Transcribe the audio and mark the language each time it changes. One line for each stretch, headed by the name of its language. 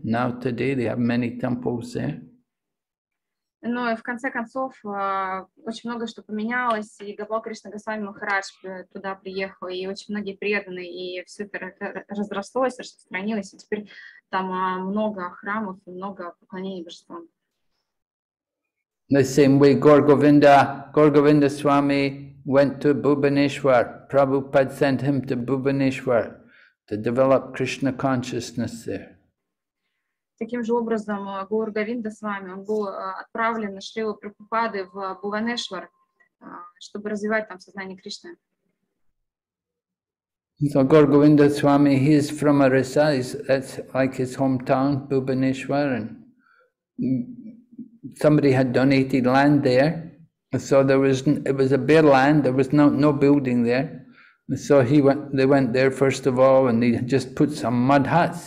English: Now today they have many temples there.
Russian: Но в конце концов очень много что поменялось, и Гопал Кришна Госвами Махарадж туда приехал, и очень многие преданные, и все это разрослось, распространилось, и теперь там много храмов и много поклонений божествам.
English: The same way Gaur Govinda Swami went to Bhubaneswar. Prabhupada sent him to Bhubaneswar to develop Krishna consciousness there.
Russian: Таким же образом Гаур Говинда с вами, он был отправлен на Шрилу Прабхупады в Бхуванешвар, чтобы развивать там сознание Кришны.
English: So Гаур Говинда с вами, he is from Orissa, that's like his hometown, Bhubaneswar, and somebody had donated land there, so it was a bare land, there was no building there. So they went there first of all, and they just put some mud huts.